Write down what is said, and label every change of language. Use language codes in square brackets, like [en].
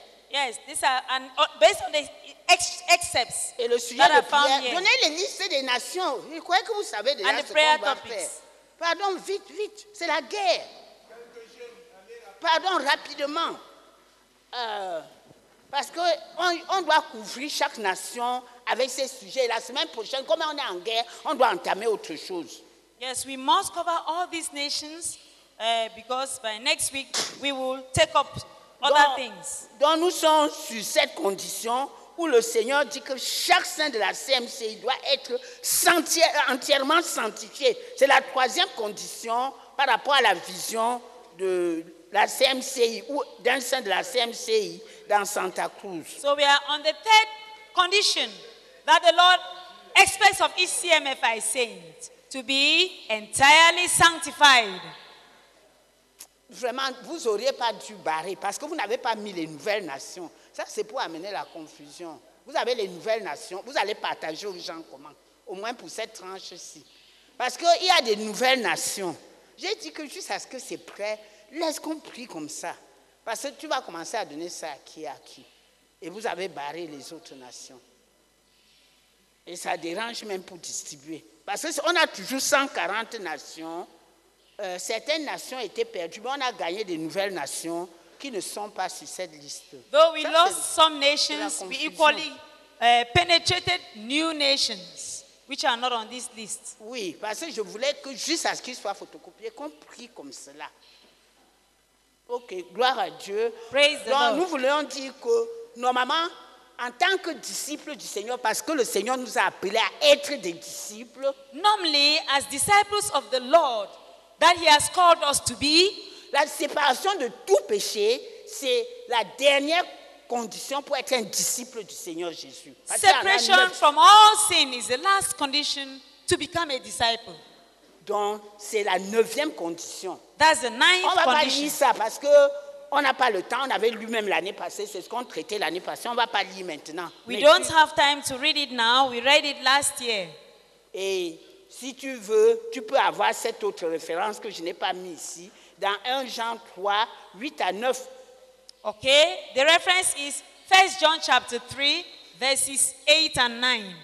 [en] Yes, these are and based on the excerpts. [fr] Et le sujet [en] that [fr] de prière. Donnez les listes des nations. Je crois que vous savez déjà ce qu'on va faire. Pardon, vite, vite, c'est la guerre. Pardon, rapidement. Parce qu'on doit couvrir chaque nation avec ces sujets. La semaine prochaine, comme on est en guerre, on doit entamer autre chose. [en] Yes, we must cover all these nations because by next week, we will take up other things. [fr] Donc, nous sommes sur cette condition où le Seigneur dit que chaque saint de la CMC doit être entièrement sanctifié. C'est la troisième condition par rapport à la vision de la CMCI ou d'un saint de la CMCI dans Santa Cruz. [en] So we are on the third condition that the Lord expects of each CMFI saint to be entirely sanctified. [fr] Vraiment, vous n'auriez pas dû barrer parce que vous n'avez pas mis les nouvelles nations. Ça, c'est pour amener la confusion. Vous avez les nouvelles nations, vous allez partager aux gens comment, au moins pour cette tranche-ci. Parce qu'il y a des nouvelles nations. J'ai dit que juste à ce que c'est prêt, laisse qu'on prie comme ça. Parce que tu vas commencer à donner ça à qui. Et vous avez barré les autres nations. Et ça dérange même pour distribuer. Parce que si on a toujours 140 nations. Certaines nations étaient perdues, mais on a gagné des nouvelles nations qui ne sont pas sur cette liste. [en] Though we lost some nations, we equally penetrated new nations, which are not on this list. [fr] Oui, parce que je voulais que juste à ce qu'il soit photocopié, qu'on prie comme cela. Ok, gloire à Dieu. [en] Praise the Lord. [fr] Nous voulons dire que, normalement, en tant que disciples du Seigneur, parce que le Seigneur nous a appelés à être des disciples. [en] Normally, as disciples of the Lord, that he has called us to be. [fr] La séparation de tout péché, c'est la dernière condition pour être un disciple du Seigneur Jésus. [en] Separation from all sin is the last condition to become a disciple. [fr] Donc, c'est la neuvième condition. [en] That's the ninth condition. [fr] On va pas lire ça parce que on n'a pas le temps. On avait lu même l'année passée. C'est ce qu'on traitait l'année passée. On va pas lire maintenant. [en] We don't have time to read it now. We read it last year. [fr] Et si tu veux, tu peux avoir cette autre référence que je n'ai pas mise ici, dans 1 Jean 3, 8 à 9. [en] OK, the reference is 1 John chapter 3, verses 8 and 9.